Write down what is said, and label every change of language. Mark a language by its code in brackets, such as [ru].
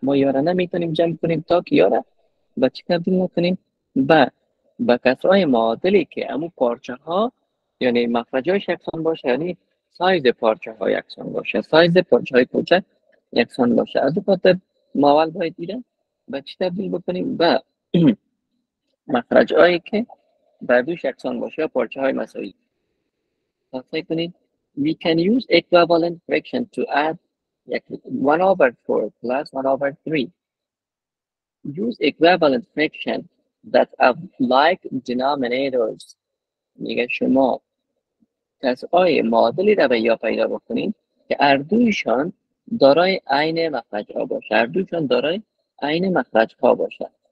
[fa] ما یا را نمی دانیم جمع کنیم تا که یا را با چی تبدیل نکنیم؟ به کسرهای معادلی که امو پارچه ها یعنی مخرج هایش یکسان باشه، یعنی سایز پارچه ها یکسان باشه، سایز پارچه های کوچک یکسان باشه. از این خاطر ما اول باید دیره به چی تبدیل بکنیم؟ به مخرج هایی که بر دوش یکسان باشه یا پارچه های مساوی. پس فکر کنید [en] we can use equivalent fraction to add 1 over 4 plus 1 over 3. Use equivalent fraction that of like denominators. [fa] میگه شما کسرهای معادلی را به یا پیدا بکنید که هر دویشان دارای عین مخرج ها باشه، هر دویشان دارای عین مخرج ها باشه.